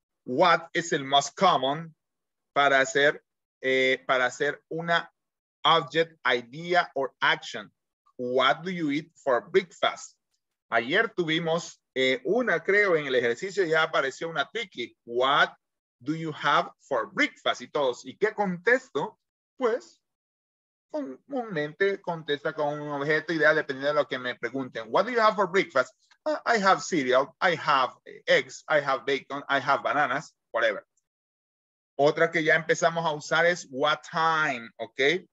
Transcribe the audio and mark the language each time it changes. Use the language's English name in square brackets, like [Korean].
[English] What is the most common [Spanish] para hacer una [English] object, idea, or action? What do you eat for breakfast? [Spanish] Ayer tuvimos una, creo, en el ejercicio ya apareció una tricky. [English] What do you have for breakfast? [Spanish] Y todos. ¿Y qué contesto? Pues, comúnmente contesta con un objeto, idea, dependiendo de lo que me pregunten. [English] What do you have for breakfast? I have cereal, I have eggs, I have bacon, I have bananas, whatever. [Spanish] Otra que ya empezamos a usar es [English] what time, [Spanish] ¿ok?